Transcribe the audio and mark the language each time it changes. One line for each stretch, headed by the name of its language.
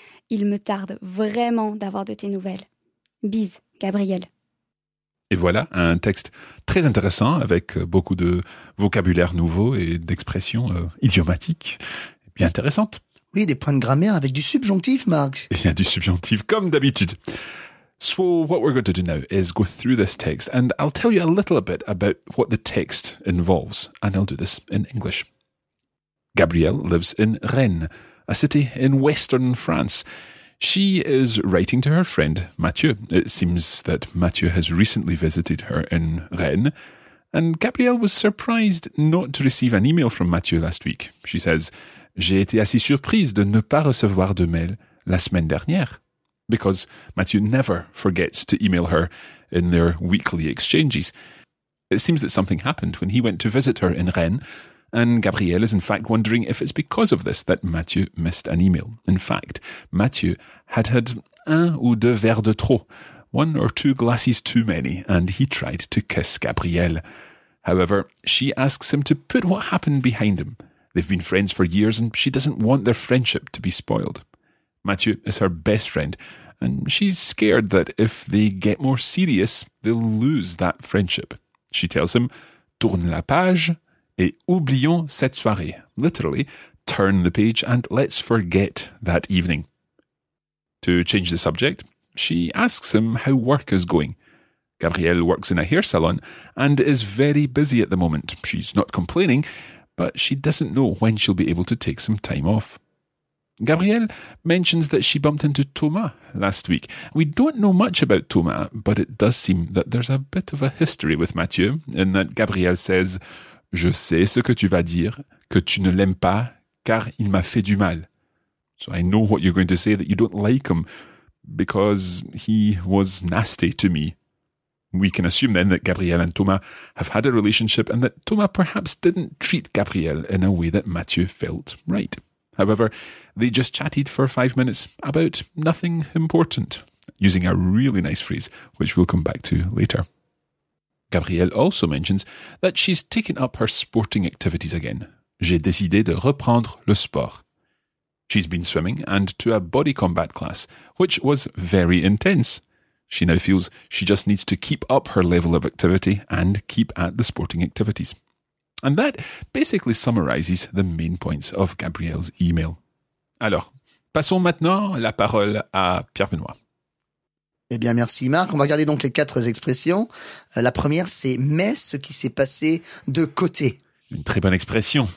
French: Il me tarde vraiment d'avoir de tes nouvelles. Bise, Gabriel. Et voilà, un texte très intéressant avec beaucoup de vocabulaire nouveau et d'expressions idiomatiques bien intéressantes. Oui, des points de grammaire avec du subjonctif, Marc. Il y a du subjonctif, comme d'habitude.
English: So what we're going to do now is go through this text and I'll tell you a little bit about what the text involves and I'll do this in English. Gabrielle lives in Rennes, a city in western France. She is writing to her friend Mathieu. It seems that Mathieu has recently visited her in Rennes and Gabrielle was surprised not to receive an email from Mathieu last week. She says,
French: j'ai été assez surprise de ne pas recevoir de mail la semaine dernière.
English: Because Mathieu never forgets to email her in their weekly exchanges. It seems that something happened when he went to visit her in Rennes, and Gabrielle is in fact wondering if it's because of this that Mathieu missed an email. In fact, Mathieu had
French: un ou deux verres de trop,
English: one or two glasses too many, and he tried to kiss Gabrielle. However, she asks him to put what happened behind him. They've been friends for years and she doesn't want their friendship to be spoiled. Mathieu is her best friend, and she's scared that if they get more serious, they'll lose that friendship. She tells him,
French: tourne la page et oublions cette soirée.
English: Literally, turn the page and let's forget that evening. To change the subject, she asks him how work is going. Gabrielle works in a hair salon and is very busy at the moment. She's not complaining, but she doesn't know when she'll be able to take some time off. Gabrielle mentions that she bumped into Thomas last week. We don't know much about Thomas, but it does seem that there's a bit of a history with Mathieu, in that Gabrielle says,
French: je sais ce que tu vas dire, que tu ne l'aimes pas, car il m'a fait du mal.
English: So I know what you're going to say, that you don't like him, because he was nasty to me. We can assume then that Gabrielle and Thomas have had a relationship and that Thomas perhaps didn't treat Gabrielle in a way that Mathieu felt right. However, they just chatted for 5 minutes about nothing important, using a really nice phrase, which we'll come back to later. Gabrielle also mentions that she's taken up her sporting activities again.
French: J'ai décidé de reprendre le sport.
English: She's been swimming and to a body combat class, which was very intense. She now feels she just needs to keep up her level of activity and keep at the sporting activities. And that basically summarizes the main points of Gabrielle's email.
French: Alors, passons maintenant la parole à Pierre Benoît. Eh bien, merci Marc. On va regarder donc les quatre expressions. La première, c'est « mais ce qui s'est passé de côté ». Une très bonne expression.